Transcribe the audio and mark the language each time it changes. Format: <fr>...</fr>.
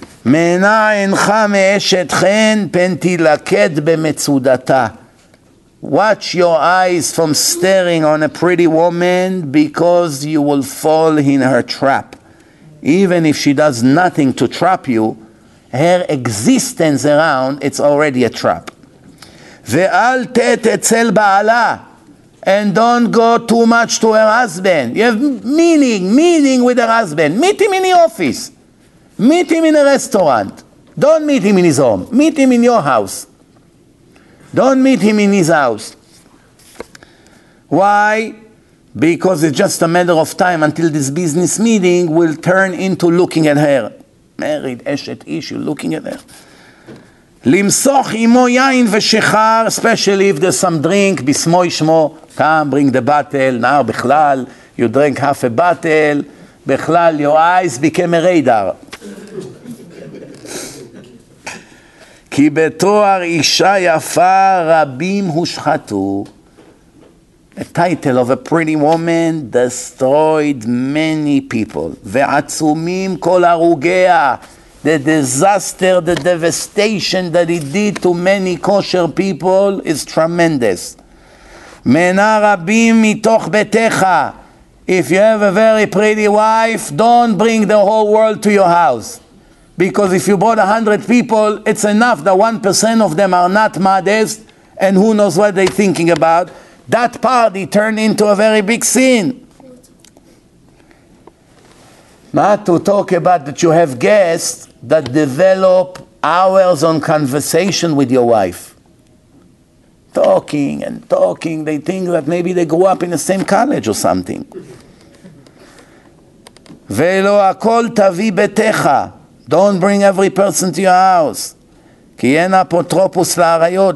<he>מענה אינך מאשת חן, פן תלקד במצודתה.</he> <en>Watch your eyes from staring on a pretty woman because you will fall in her trap. Even if she does nothing to trap you, her existence around, it's already a trap.</en> <he>ואל תת אצל בעלה,</he> <en>and don't go too much to her husband. You have meeting with her husband. Meet him in the office. Meet him in a restaurant. Don't meet him in his home. Meet him in your house. Don't meet him in his house. Why? Because it's just a matter of time until this business meeting will turn into looking at her. Married, eshet ish, you're looking at her.</en> <he>Limsoch imo yain v'shechar,</he> <en>especially if there's some drink,</en> <he>bismo ishmo,</he> <en>come, bring the bottle. Now, bechlal, you drink half a bottle. Bechlal, your eyes became a radar.</en> <he>כי בתואר אישה יפה רבים הושחתו.</he> <en>A title of a pretty woman destroyed many people.</en> <he>ועצומים כל הרוגיה.</he> <en>The disaster, the devastation that it did to many kosher people is tremendous.</en> <he>מנה רבים מתוך ביתך.</he> <en>If you have a very pretty wife, don't bring the whole world to your house. Because if you brought 100 people, it's enough that 1% of them are not modest, and who knows what they're thinking about. That party turned into a very big sin. Not to talk about that you have guests that develop hours on conversation with your wife. Talking and talking, they think that maybe they grew up in the same college or something.</en> <he>ולא הכל תביא ביתך.</he> <en>Don't bring every person to your house.</en> <he>כי אין אפוטרופוס לעריות.</he>